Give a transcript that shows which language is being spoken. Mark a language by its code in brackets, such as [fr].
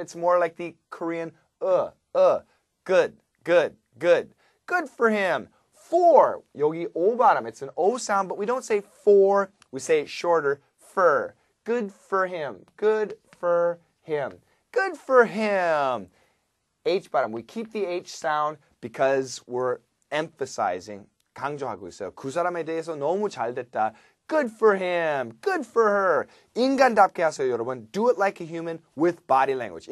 [en] It's more like the Korean Good, good, good. Good for him. For. Yogi o bottom. It's an o sound, but we don't say for. We say it shorter. Fur. Good for him. Good for him. Good for him. H bottom. We keep the H sound because we're emphasizing. [ko] 강조하고 있어요. 그 사람에 대해서 너무 잘 됐다. Good for him. Good for her. 인간답게 하세요, 여러분. [en] Do it like a human with body language.